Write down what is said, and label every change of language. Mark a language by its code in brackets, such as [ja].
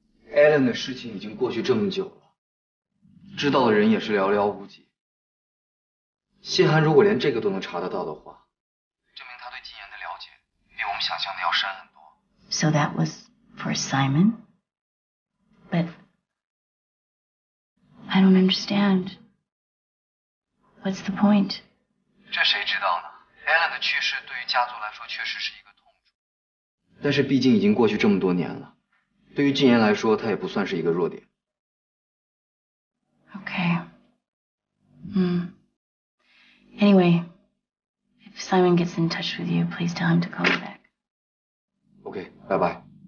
[zh] Allen 的事情已经过去这么久了，知道的人也是寥寥无几。信函如果连这个都能查得到的话，证明他对禁言的了解比我们想象的要深很多。 [en] So that was for Simon, but I don't understand. What's the point? [zh] 这谁知道呢 ？Allen 的去世对于家族来说确实是一个痛楚，但是毕竟已经过去这么多年了。对于禁言来说，它也不算是一个弱点。 [en] Okay. Anyway, if Simon gets in touch with you, please tell him to call me back. Okay. Bye bye.